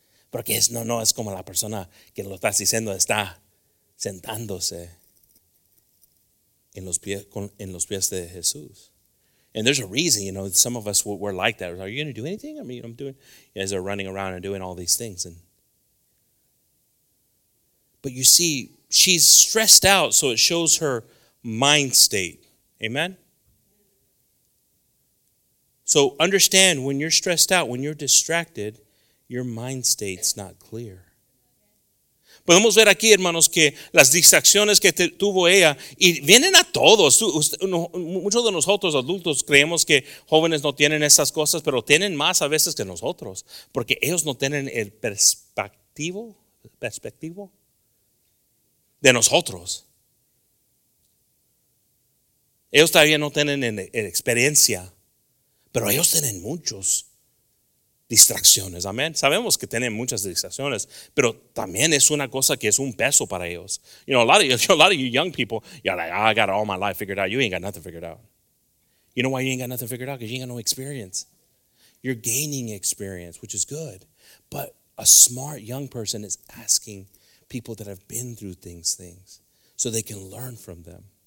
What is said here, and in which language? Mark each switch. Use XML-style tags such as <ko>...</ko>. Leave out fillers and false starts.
<es>Porque es, no, es como la persona que lo estás diciendo está sentándose en los pies de Jesús.</es> <en>And there's a reason, you know, some of us, we're like that. Are you going to do anything? I mean, I'm doing, as they're running around and doing all these things. And but you see, she's stressed out, so it shows her mind state. Amen? So understand, when you're stressed out, when you're distracted, your mind state's not clear.</en> <es>Podemos ver aquí, hermanos, que las distracciones que tuvo ella, y vienen a todos. Muchos de nosotros adultos creemos que jóvenes no tienen esas cosas, pero tienen más a veces que nosotros, porque ellos no tienen el perspectivo de nosotros. Ellos todavía no tienen la experiencia, pero ellos tienen muchos. Distracciones, amén. Sabemos que tienen muchas distracciones, pero también es una cosa que es un peso para ellos.</es> <en>You know, a lot of you young people, you're like, oh, I got all my life figured out. You ain't got nothing figured out. You know why you ain't got nothing figured out? Because you ain't got no experience. You're gaining experience, which is good. But a smart young person is asking people that have been through things so they can learn from them.</en>